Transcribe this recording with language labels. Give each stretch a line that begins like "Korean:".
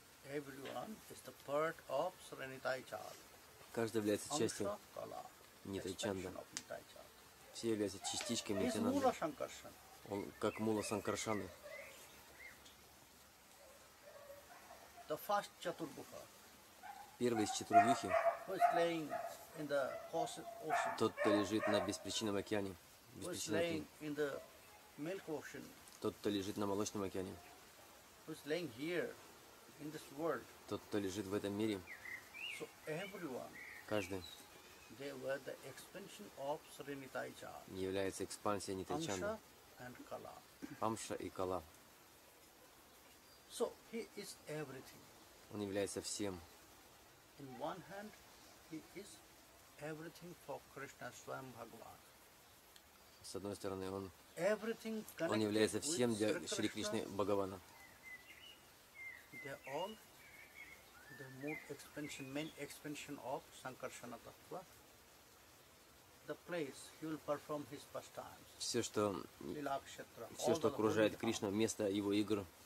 English: Everyone is the part of Sri Nitai Chal.
Russian: Каждый является частью Нитай Чанда. Все являются частичками Нитянанды. Он как Мула Санкаршаны.
English: The first Chaturbhuja.
Russian: Первый из Чатурвюхи.
English: Who is laying in the ocean.
Russian: Тот, кто лежит на беспричинном океане.
English: In the milk ocean.
Russian: Тот, кто лежит на молочном океане.
English: Who is laying here in this world.
Russian: Тот, кто лежит в этом мире.
English: So everyone.
Russian: Каждый.
English: They were the expansion of Sri Nitai Chand.
Russian: Является экспансией Нитай Чанды. Амша и Кала.
English: So he is everything.
Russian: Он является всем.
English: In one hand, he is everything for Krishna Swayam Bhagavan.
Russian: С одной стороны, он.
English: Everything connected.
Russian: Он является всем для Шри Кришны Бхагавана.
English: They are all the more expansion, main expansion of Sankarsana Tattva. The place he will perform his pastimes.
Russian: Все, что окружает Кришну, место его игр.